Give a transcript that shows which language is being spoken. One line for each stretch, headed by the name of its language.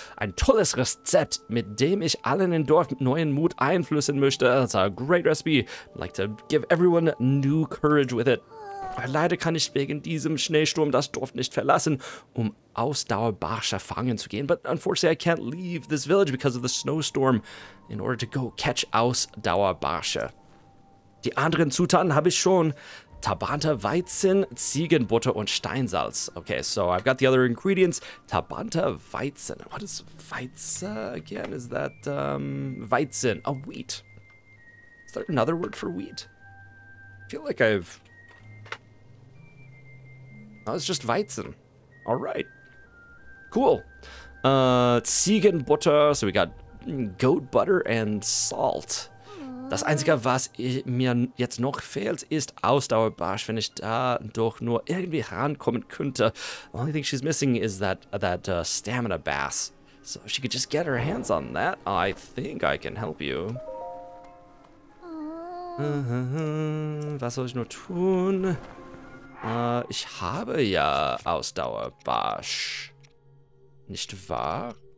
German: Ein tolles Rezept, mit dem ich allen im Dorf neuen Mut einflüssen möchte.
English: It's a great recipe. I'd like to give everyone new courage with it.
German: Leider kann ich wegen diesem Schneesturm das Dorf nicht verlassen, um Ausdauerbarsche fangen zu gehen.
English: But unfortunately, I can't leave this village because of the snowstorm in order to go catch Ausdauerbarsche.
German: Die anderen Zutaten habe ich schon. Tabanter Weizen, Ziegenbutter und Steinsalz.
English: Okay, so I've got the other ingredients. Tabanter Weizen. What is Weizen again? Is that Weizen? Oh, wheat. Is there another word for wheat? I feel like I've... Oh, it's just Weizen. All right. Cool. Ziegenbutter. So we got goat butter and salt.
German: Das Einzige, was mir jetzt noch fehlt, ist Ausdauerbarsch, wenn ich da doch nur irgendwie rankommen könnte.
English: The only thing she's missing is that stamina bass. So if she could just get her hands on that, I think I can help you.
German: Was soll ich nur tun? Ich habe ja Ausdauerbarsch. Nicht wahr?